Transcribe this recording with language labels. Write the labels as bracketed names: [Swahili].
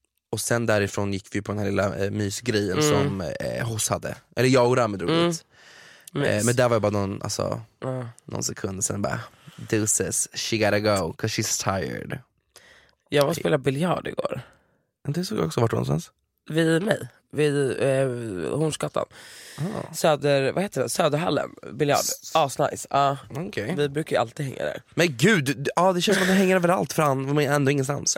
[Swedish] Och sen därifrån gick vi på den här lilla mysgrejen som hos hade. Eller jag och Rami drog dit. Men där var jag bara någon sekund. Sen bara, [English] deuces, she gotta go, cause she's tired. [Swedish] Jag var och spelade biljard igår. Det såg jag också, vart någonstans? Vid mig, vid Hornsgatan. Söder, vad heter det? Söderhallen, biljard. Asnice. Okay. Vi brukar ju alltid hänga där. Men gud, det känns som att det hänger överallt, för han var ändå ingenstans.